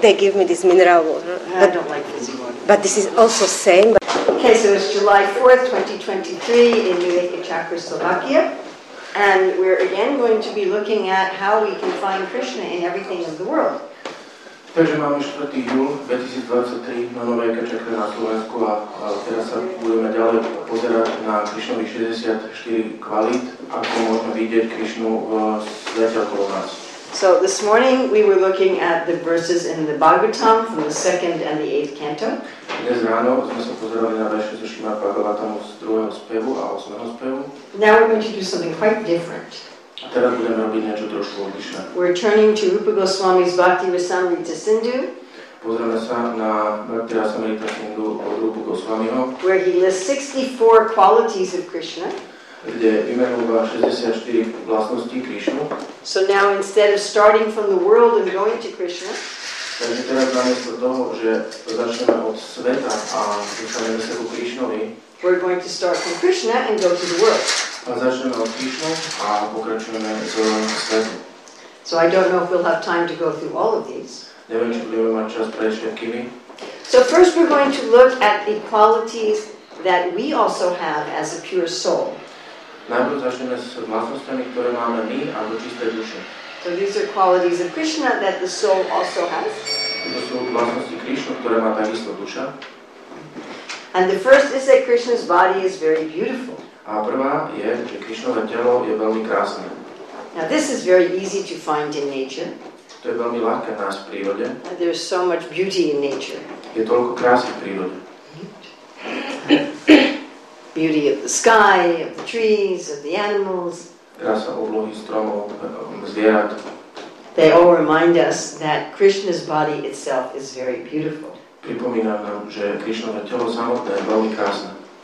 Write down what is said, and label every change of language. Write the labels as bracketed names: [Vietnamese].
[English] They give me this mineral water. I don't like this one. But this is also same. Okay, so it's July 4th, 2023 in Nueka Chakra, Slovakia. And we're again going to be looking at how we can find Krishna in everything of the world. [Slovak] Takže máme 4. júl 2023 na Nueka Chakra na Slovensku a teraz sa budeme ďalej pozerať na Krishnových 64 kvalit, ako môžeme vidieť Krishnu v svete okolo nás. [English] So this morning we were looking at the verses in the Bhagavatam from the 2nd and the 8th canto. [Slovak] Dnes ráno sme sa pozerali na verše zo Šrimad Bhagavatamu z 2. spevu a 8. spevu. [English] Now we're going to do something quite different. [Slovak] A teraz budeme robiť niečo trošku odlišné. [English] We're turning to Rupa Goswami's Bhakti Rasamrita Sindhu. [Slovak] Pozrieme sa na Bhakti Rasamrita Sindhu od Rupa Goswamiho. [English] Where he lists 64 qualities of Krishna. [Slovak] Kde vymenúva 64 vlastnosti Krishnu. [English] So now instead of starting from the world and going to Krishna, [Slovak] takže teraz namiesto toho, že začneme od sveta a dostaneme sa ku Krishnovi, [English] we're going to start from Krishna and go to the world. [Slovak] A začneme od Krishnu a pokračujeme z svetu. [English] So I don't know if we'll have time to go through all of these. [Slovak] Neviem, či budeme mať čas prejsť všetkými. [English] So first we're going to look at the qualities that we also have as a pure soul. [Slovak] Najprv začneme s vlastnostami, ktoré máme my, alebo čisté duše. [English] So these are qualities of Krishna that the soul also has. [Slovak] To sú vlastnosti Krishna, ktoré má takisto duša. [English] And the first is that Krishna's body is very beautiful. [Slovak] A prvá je, že Krishnovo telo je veľmi krásne. [English] Now this is very easy to find in nature. [Slovak] To je veľmi ľahké nájsť v prírode. [English] And there's so much beauty in nature. [Slovak] Je toľko krásy v prírode. [English] Beauty of the sky, of the trees, of the animals. [Slovak] Krása oblohy, stromov, zvierat. [English] They all remind us that Krishna's body itself is very beautiful. [Slovak] Pripomína nám, že Krishnovo telo samotné je veľmi krásne.